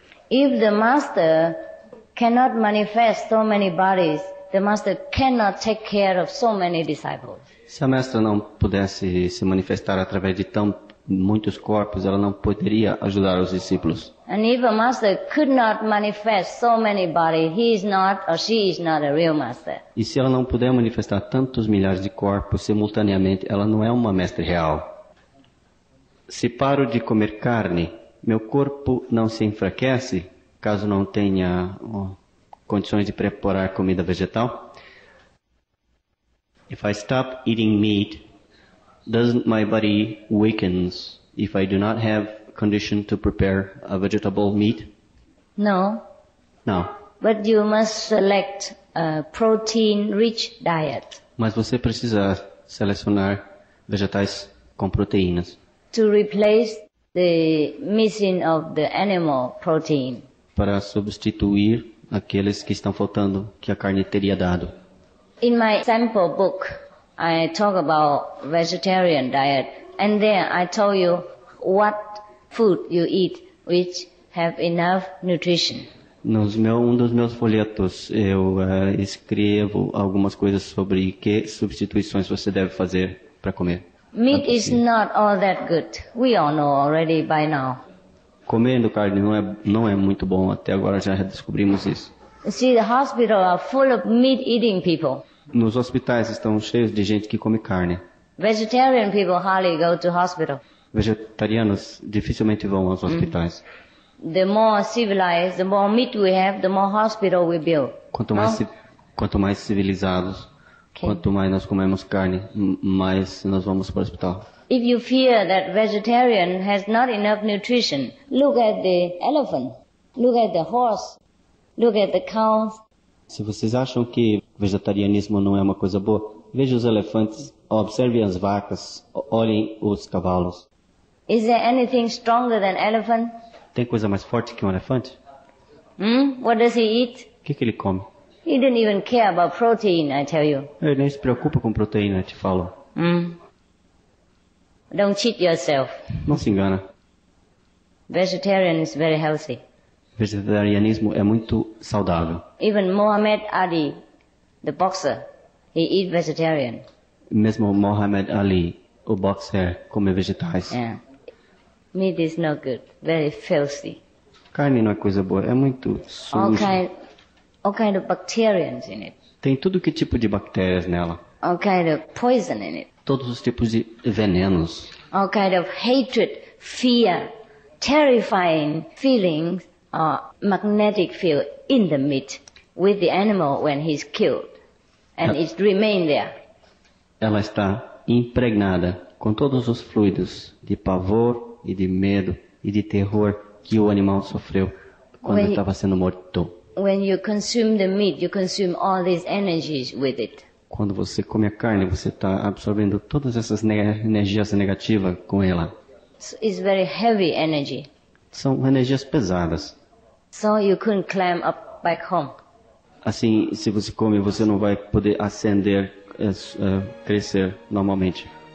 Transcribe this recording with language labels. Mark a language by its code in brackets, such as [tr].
[en] If the master cannot manifest so many bodies, the master cannot take care of so many disciples. [pt] Se a mestra não pudesse se manifestar através de tão muitos corpos, ela não poderia ajudar os discípulos. [en] And if a master could not manifest so many bodies, he is not or she is not a real master. [pt] E se ela não puder manifestar tantos milhares de corpos simultaneamente, ela não é uma mestre real. Se paro de comer carne, meu corpo não se enfraquece, caso não tenha condições de preparar comida vegetal? [en] If I stop eating meat, doesn't my body weaken if I do not have condition to prepare a vegetable meat? No. No. But you must select a protein-rich diet. [pt] Mas você precisa selecionar vegetais com proteínas. [en] To replace the missing of the animal protein. [pt] Para substituir aqueles que estão faltando que a carne teria dado. [en] In my sample book, I talk about vegetarian diet, and there I tell you what food you eat which have enough nutrition. [pt] Um dos meus folhetos eu escrevo algumas coisas sobre que substituições você deve fazer para comer. [en] Meat is not all that good. We all know already by now. [pt] Comendo carne não é muito bom. Até agora já descobrimos isso. [en] See, the hospital are full of meat eating people. [pt] Nos hospitais estão cheios de gente que come carne. [en] Vegetarian people hardly go to hospital. [pt] Vegetarianos dificilmente vão aos hospitais. [en] The more civilized, the more meat we have, the more hospital we build. [pt] Quanto mais civilizados, okay. Quanto mais nós comemos carne, mais nós vamos para o hospital. [en] If you fear that vegetarian has not enough nutrition, look at the elephant, look at the horse, look at the cow. [pt] Se vocês acham que vegetarianismo não é uma coisa boa, veja os elefantes, observe as vacas, olhem os cavalos. [en] Is there anything stronger than elephant? [pt] Tem coisa mais forte que um elefante? [en] What does he eat? [pt] Que ele come? [en] He didn't even care about protein, I tell you. [pt] Ele nem se preocupa com proteína, te falo. [en] Don't cheat yourself. [pt] Não se engana. [en] Vegetarian is very healthy. [pt] Vegetarianismo é muito saudável. [en] Even Muhammad Ali, the boxer, he eat vegetarian. [pt] Mesmo Muhammad Ali, o boxer, come vegetais. [en] Yeah. Meat is not good. Very filthy. [pt] Carne não é coisa boa. É muito sujo. [en] All kind of bacteria in it. [pt] Tem tudo que tipo de bactérias nela. [en] All kind of poison in it. [pt] Todos os tipos de venenos. [en] All kind of hatred, fear, terrifying feelings. A magnetic field in the meat with the animal when he's killed and it remains there. [pt] Ela está impregnada com todos os fluidos de pavor e de medo e de terror que o animal sofreu quando estava sendo morto. [en] When you consume the meat, you consume all these energies with it. [pt] Quando você come a carne, você está absorvendo todas essas energias negativas com ela. [en] So it's very heavy energy. [pt] São energias pesadas. [en] So you couldn't climb up back home. [pt] Assim, se você come, você não vai poder ascender, crescer normalmente.